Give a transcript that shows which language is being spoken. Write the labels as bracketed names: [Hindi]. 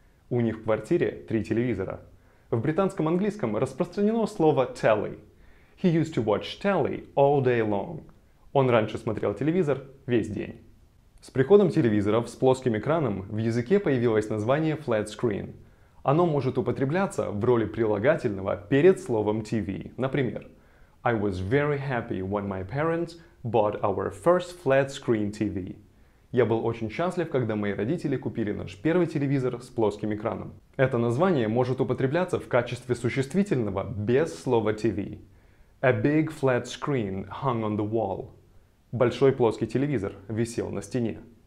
[Russian] У них в квартире три телевизора. В британском английском распространено слово telly. [English] He used to watch telly all day long. [Russian] Он раньше смотрел телевизор весь день. С приходом телевизоров с плоским экраном в языке появилось название flat screen. Оно может употребляться в роли прилагательного перед словом TV. Например, [English] I was very happy when my parents bought our first flat screen TV. [Russian] Я был очень счастлив, когда мои родители купили наш первый телевизор с плоским экраном. Это название может употребляться в качестве существительного без слова TV. [English] A big flat screen hung on the wall. [Russian] Большой плоский телевизор висел на стене.